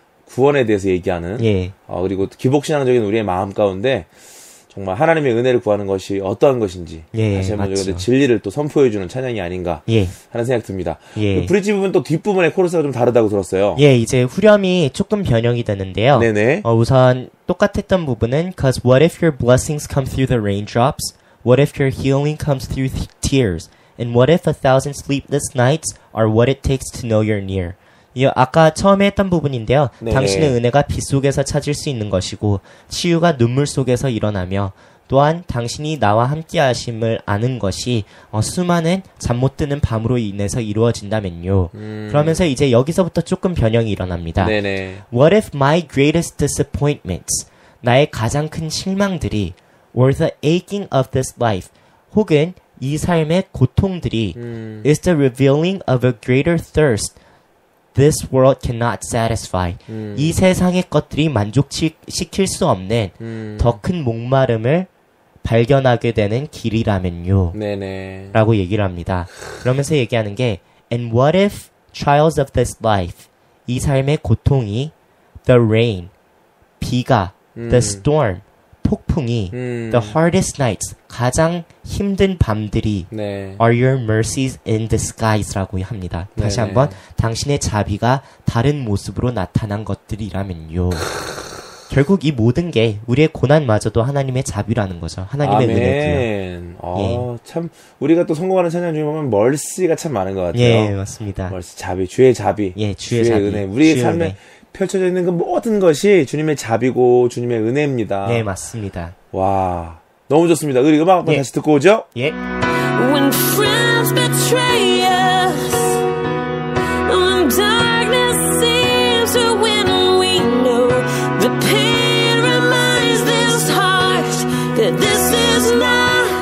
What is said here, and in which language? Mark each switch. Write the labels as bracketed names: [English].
[Korean] 구원에 대해서 얘기하는. 예. 그리고 기복신앙적인 우리의 마음 가운데. 정말 하나님의 은혜를 구하는 것이 어떠한 것인지 예, 다시 한번 여기서 진리를 또 선포해 주는 찬양이 아닌가 예. 하는 생각 듭니다. 예. 그 브릿지 부분 또 뒷부분의 코러스가 좀 다르다고 들었어요. 예, 이제 후렴이 조금 변형이 되는데요. 네네. 우선 똑같았던 부분은 [English] 'Cause what if your blessings come through the raindrops? What if your healing comes through tears? And what if a thousand sleepless nights are what it takes to know you're near? [Korean] 아까 처음에 했던 부분인데요. 네. 당신의 은혜가 빛 속에서 찾을 수 있는 것이고 치유가 눈물 속에서 일어나며 또한 당신이 나와 함께 하심을 아는 것이 수많은 잠 못 드는 밤으로 인해서 이루어진다면요. 그러면서 이제 여기서부터 조금 변형이 일어납니다. 네네. [English] What if my greatest disappointments, [Korean] 나의 가장 큰 실망들이 [English] or the aching of this life, [Korean] 혹은 이 삶의 고통들이 [English] is the revealing of a greater thirst This world cannot satisfy. [Korean] 이 세상의 것들이 만족시킬 수 없는 더 큰 목마름을 발견하게 되는 길이라면요. 네네. 라고 얘기를 합니다. 그러면서 얘기하는 게 [English] And what if trials of this life, [Korean] 이 삶의 고통이 [English] The rain, [Korean] 비가, [English] the storm, [Korean] 폭풍이 [English] The hardest nights, [Korean] 가장 힘든 밤들이 네. [English] Are your mercies in disguise라고 [Korean] 합니다. 다시 네네. 한번 당신의 자비가 다른 모습으로 나타난 것들이라면요. 결국 이 모든 게 우리의 고난마저도 하나님의 자비라는 거죠. 하나님의 아멘. 은혜고요. 예. 참 우리가 또 성공하는 찬양 중에 보면 mercy가 참 많은 것 같아요. 예, 맞습니다. mercy, 자비, 주의 자비, 예, 주의, 주의 자비, 은혜, 우리의 주의 삶에 은혜. 펼쳐져 있는 그 모든 것이 주님의 자비고 주님의 은혜입니다. 네, 맞습니다. 와, 너무 좋습니다. 우리 음악 한번 예. 다시 듣고 오죠? 예. [English] When friends betray us When darkness seems to win We know the pain reminds this heart That this is not